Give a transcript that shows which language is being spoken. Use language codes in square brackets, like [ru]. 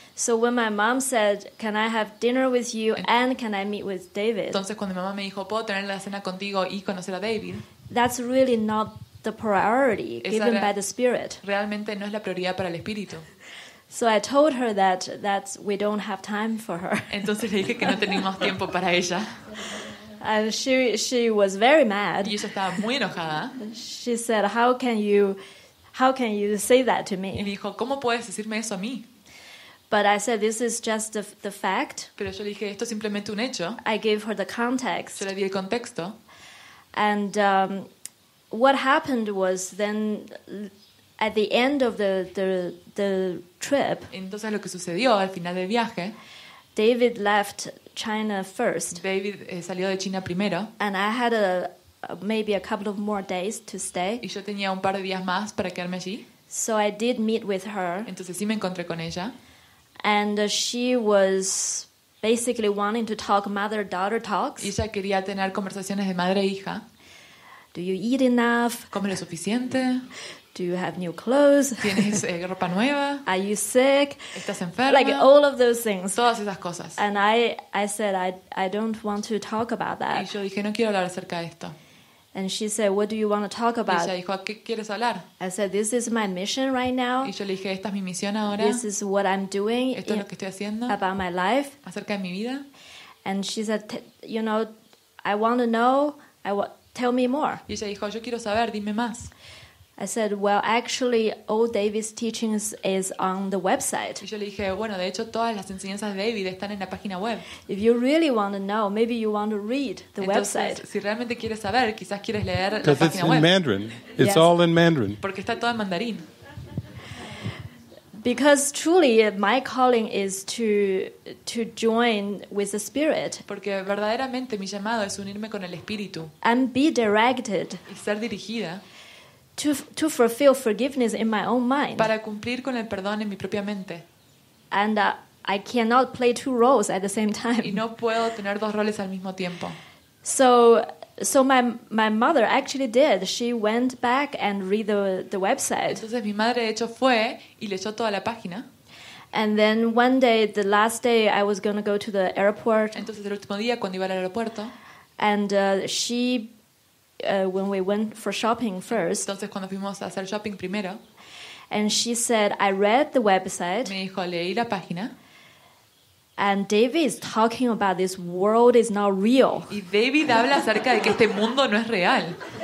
[en] So when my mom said, "Can I have dinner with you and can I meet with David?" [es] Entonces cuando mi mamá me dijo, "¿Puedo tener la cena contigo y conocer a David?" [en] That's really not the priority given by the spirit. [es] Realmente no es la prioridad para el espíritu. [en] So I told her that we don't have time for her. [es] Entonces le dije que no tenemos tiempo para ella. [en] And she was very mad. [es] Y ella estaba muy enojada. [en] She said, "How can you say that to me?" [es] Y dijo, ¿cómo puedes decirme eso a mí? [en] But I said, "This is just the fact." [es] Pero yo le dije, esto es simplemente un hecho. [en] I gave her the context. [es] Yo le di el contexto. [en] And what happened was then at the end of the trip. [es] Entonces lo que sucedió al final del viaje. [en] David left China first. [es] David salió de China primero. [en] And I had maybe a couple of more days to stay. [es] Y yo tenía un par de días más para quedarme allí. [en] So I did meet with her. [es] Entonces sí me encontré con ella. [en] And she was basically wanting to talk mother-daughter talks. [es] Y ella quería tener conversaciones de madre e hija. [en] Do you eat enough? [es] ¿Comes lo suficiente? [en] Do you have new clothes? [es] ¿Tienes ropa nueva? [en] Are you sick? [es] ¿Estás enferma? [en] Like all of those things. [es] Todas esas cosas. [en] And I said I don't want to talk about that. [es] Y yo dije no quiero hablar acerca de esto. [en] And she said, "What do you want to talk about?" [es] Y ella dijo, ¿qué quieres hablar? [en] I said, "This is my mission right now." [es] Y yo le dije, esta es mi misión ahora. [en] This is what I'm doing. [es] Esto es lo que estoy haciendo. [en] About my life. [es] Acerca de mi vida. [en] And she said, "You know, I want to know. Tell me more." [es] Y ella dijo, yo quiero saber. Dime más. [en] I said, well, actually, all David's teachings is on the website. [es] Y yo le dije, bueno, de hecho, todas las enseñanzas de David están en la página web. [en] If you really want to know, maybe you want to read the [es] Entonces, [en] website. [es] Si realmente quieres saber, quizás quieres leer la página web. [en] Because it's in Mandarin. It's all in Mandarin. [es] Porque está todo en mandarín. [en] Because truly, my calling is to join with the Spirit. [es] Porque verdaderamente mi llamado es unirme con el Espíritu. [en] And be directed. [es] Y ser dirigida. [en] To fulfill forgiveness in my own mind. [es] Para cumplir con el perdón en mi propia mente. [en] And I cannot play two roles at the same time. [es] Y no puedo tener dos roles al mismo tiempo. [en] So my mother actually did. She went back and read the website. [es] Entonces mi madre de hecho fue y leyó toda la página. [en] And then one day, the last day, I was going to go to the airport. [es] Entonces el último día cuando iba al aeropuerto. [en] And she. When we went for shopping first. [es] Entonces cuando fuimos a hacer shopping primero. [en] And she said, I read the website. [es] Me dijo, leí la página. [en] And David is talking about this world is not real. [es] Y David habla acerca de que este mundo no es real.